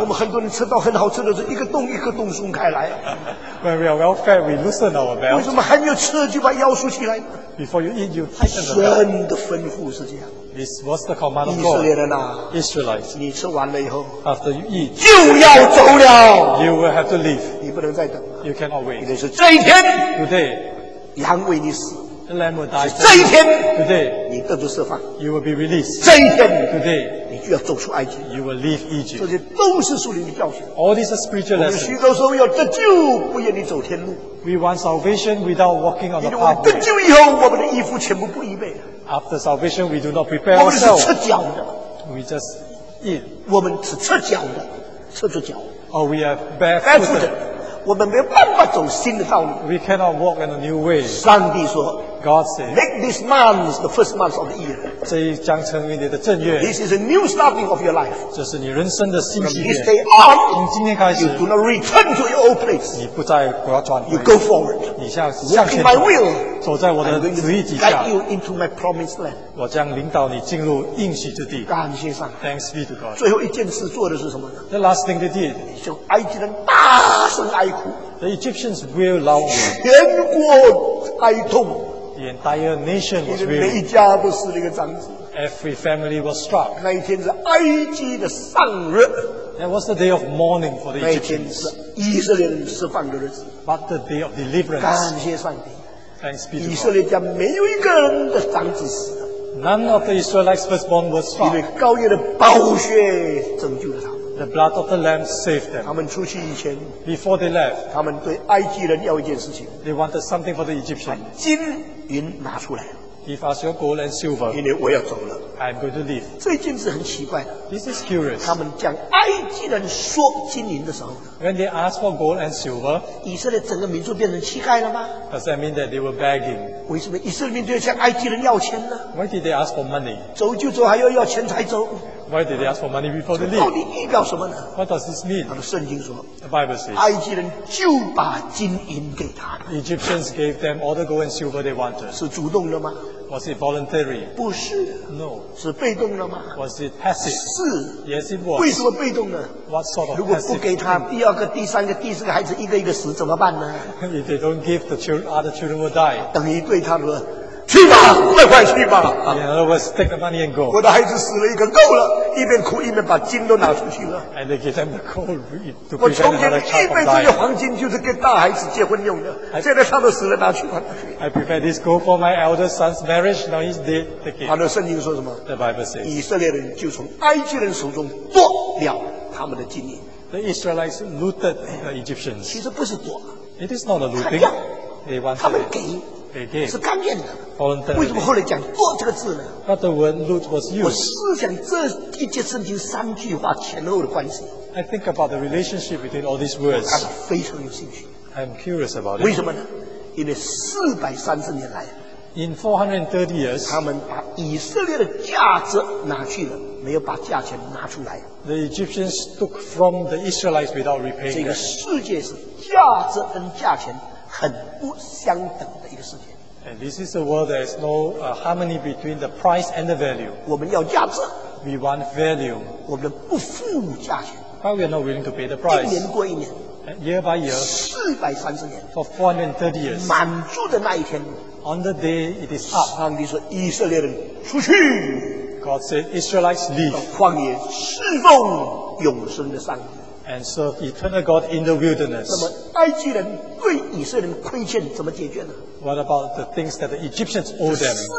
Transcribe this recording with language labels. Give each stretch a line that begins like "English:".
Chinese: 我们很多人吃到很好吃的时候, 一个洞一个洞松开来。
English: When we are well fed, we loosen our belt.
Chinese: 为什么还没有吃就把腰束起来?
English: Before you eat, you tighten the belt. This was the command of God. Israelites,
Chinese: 你吃完了以后,
English: after you eat,
Chinese: 就要走了,
English: you will have to leave.
Chinese: 你不能再等了,
English: you cannot wait.
Chinese: 你得是这一天,
English: today,
Chinese: 羊为你死,
English: the lamb will die.
Chinese: 是这一天,
English: today,
Chinese: 你得到释放,
English: you will be released.
Chinese: 这一天,
English: today,
Chinese: 你就要走出埃及,
English: you will leave Egypt.
Chinese: 这些都是属灵的教训,
English: all these are spiritual lessons.
Chinese: 我们许多时候要得救不愿你走天路,
English: we want salvation without walking on the path.
Chinese: 因为我们得救以后, 我们的衣服全部不预备,
English: after salvation, we do not prepare ourselves. We just eat.
Chinese: 我们只赤脚的, 赤着脚,
English: or we are barefooted. Barefooted. We cannot walk in a new way.
Chinese: 上帝说,
English: God said, make this month the first month of the year.
Chinese: 这将成为你的正月,
English: this is a new starting of your life.
Chinese: 这是你人生的新起点,
English: from this day on,
Chinese: 从今天开始,
English: you do not return to your old place.
Chinese: 你不再要转回,
English: you go forward.
Chinese: 你向前走,
English: walk in my will.
Chinese: 走在我的旨意底下,
English: guide you into my promised land.
Chinese: 我将领导你进入应许之地, 感谢上,
English: thanks be to God.
Chinese: 最后一件事做的是什么呢?
English: The last thing they did,
Chinese: 就埃及人大声哀哭,
English: the Egyptians wailed loudly.
Chinese: 全国哀痛,
English: the entire nation was wailing. Every family was struck.
Chinese: 那一天是埃及的丧日,
English: that was the day of mourning for the Egyptians.
Chinese: 那一天是以色列人释放的日子,
English: but the day of deliverance.
Chinese: 感谢上帝,
English: thanks be to God.
Chinese: 以色列家没有一个人的长子死,
English: none of the Israelites firstborn was struck.
Chinese: 因为羔羊的宝血拯救了他,
English: the blood of the Lamb saved them.
Chinese: 他们出去以前,
English: before they left,
Chinese: 他们对埃及人要一件事情,
English: they wanted something for the Egyptians.
Chinese: 把金银拿出来,
English: give us your gold and silver.
Chinese: 因为我要走了,
English: I'm going to leave.
Chinese: 这件事很奇怪的,
English: this is curious.
Chinese: 他们讲埃及人说金银的时候,
English: when they asked for gold and silver,
Chinese: 以色列整个民族变成乞丐了吗?
English: Does that mean that they were begging?
Chinese: 为什么以色列民族要向埃及人要钱呢?
English: Why did they ask for money?
Chinese: 走就走还要要钱才走,
English: why did they ask for money before they leave?
Chinese: 到底意表什么呢?
English: What does this mean?
Chinese: 他们圣经说,
English: the Bible says,
Chinese: 埃及人就把金银给他们,
English: Egyptians gave them all the gold and silver they wanted.
Chinese: 是主动的吗?
English: Was it voluntary?
Chinese: 不是,
English: no.
Chinese: 是被动的吗?
English: Was it passive?
Chinese: 是,
English: yes it was.
Chinese: 为什么被动呢?
English: What sort of passive?
Chinese: 如果不给他第二个第三个第四个孩子一个一个死, 怎么办呢?
English: If they don't give the children, other children will die.
Chinese: 等于对他说, 去吧, 快去吧,
English: in other words, take the money and go.
Chinese: 我的孩子死了一个, 够了, 一边哭一边把金都拿出去了,
English: and they give them the gold to prevent another child from dying.
Chinese: 我从前一辈子的黄金 就是给大孩子结婚用的, 现在他都死了, 拿去吧,
English: I prepared this gold for my elder son's marriage, now he's dead, take it.
Chinese: 他的圣经说什么?
English: The Bible says,
Chinese: 以色列人就从埃及人手中夺了他们的金银,
English: the Israelites looted the Egyptians.
Chinese: 其实不是夺,
English: it is not a looting,
Chinese: 他要,
English: they want
Chinese: 他们给,
English: again,
Chinese: 是甘愿的。
English: Voluntary.
Chinese: 为什么后来讲做这个字呢?
English: But the word loot was used.
Chinese: 我思想这一节圣经三句话前后的关系,
English: I think about the relationship between all these words.
Chinese: 我感到非常有兴趣,
English: I'm curious about it.
Chinese: 为什么呢?因为430年来,
English: in 430 years,
Chinese: 他们把以色列的价值拿去了, 没有把价钱拿出来,
English: the Egyptians took from the Israelites without repaying them.
Chinese: 这个世界是价值跟价钱 很不相等的一个世界,
English: and this is a world that has no harmony between the price and the value.
Chinese: 我们要价值,
English: we want value.
Chinese: 我们不付价钱,
English: but we are not willing to pay the price.
Chinese: 一年过一年,
English: and year by year,
Chinese: 430年,
English: for 430 years,
Chinese: 满足的那一天,
English: on the day it is up,
Chinese: 上帝说, 以色列人出去,
English: God said, Israelites leave,
Chinese: 旷野侍奉永生的上帝,
English: and serve eternal God in the wilderness.
Chinese: 那么埃及人对以色列人亏欠怎么解决呢?
English: What about the things that the Egyptians owe them?